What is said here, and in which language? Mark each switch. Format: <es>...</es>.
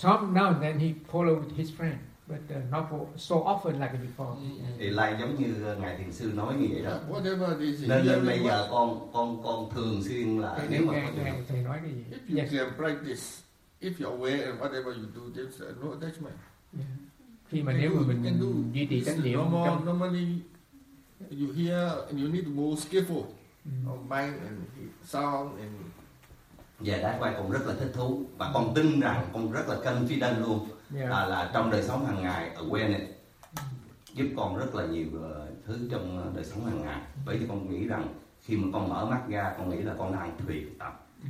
<en>Some now and then he follow with his friend, but not for, so often like before.</en> <vi>Thì lại giống như ngài thiền sư nói như vậy đó.</vi> <en>Whatever this is,</en> <vi>nên bây giờ con thường xuyên là thế, nếu mà thầy nói cái gì,</vi> <en>if you can practice, if you're aware and whatever you do, there's no attachment.</en> <vi>Khi mà nếu mà mình duy trì chánh niệm</vi> <en>trong normally, you hear and you need more skillful. Mind and sound and yeah, that's why</en> <vi>con rất là thích thú, và con tin rằng con rất là confident luôn.</vi> <en>Yeah.</en> <vi>Là trong đời sống hàng ngày awareness giúp con rất là nhiều thứ trong đời sống hàng ngày. Bởi vì con nghĩ rằng khi mà con mở mắt ra, con nghĩ là con đang thiền tập.</vi>